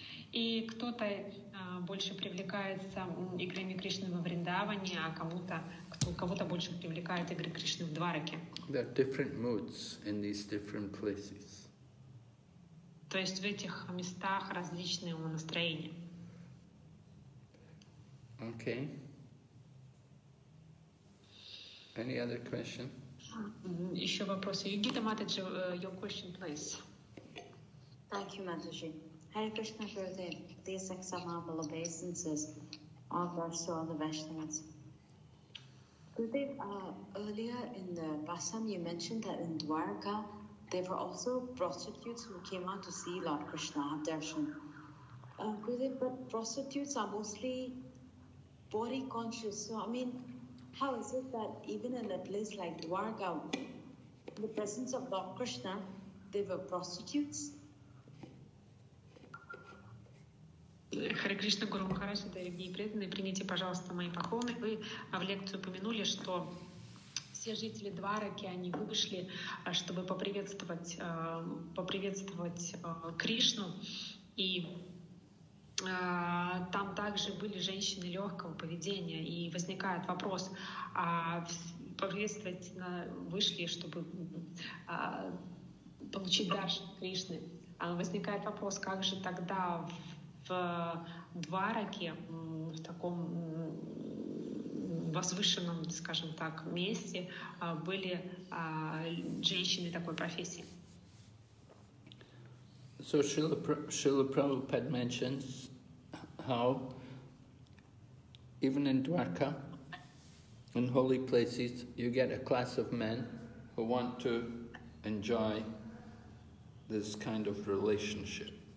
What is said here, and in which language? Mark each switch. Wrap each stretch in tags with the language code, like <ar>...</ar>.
<ru>И кто-то больше привлекается играми Кришны во Вриндаване, а кого-то больше привлекает игры Кришны в Двараке.</ru> <en>There are different moods in these different places.</en> <ru>То есть в этих местах различные настроения.</ru> <en>Okay. Any other question?</en> <ru>Еще вопросы. Йогита Матаджи,</ru> <en>your question, please. Thank you, Матаджи. Hare Krishna, Gurudev. Please accept my humble obeisances. All gods to all the Vaishnavas. Gurudev, earlier in the Bhasam, you mentioned that in Dwarka, there were also prostitutes who came out to see Lord Krishna have darshan. Gurudev, but prostitutes are mostly body conscious. So, I mean, how is it that even in a place like Dwarka, in the presence of Lord Krishna, they were prostitutes?</en> <ru>Харе Кришна, Гуру Махарадж, дорогие преданные, примите, пожалуйста, мои поклоны. Вы в лекции упомянули, что все жители Двараки, они вышли, чтобы поприветствовать Кришну. И там также были женщины легкого поведения. И возникает вопрос, а поприветствовать вышли, чтобы получить даршан Кришны. А возникает вопрос, как же тогда в Двараке, в таком возвышенном, скажем так, месте, были женщины такой профессии.</ru> <en>So Srila Prabhupada mentions how even in Dwarka, in holy places, you get a class of men who want to enjoy this kind of relationship.</en>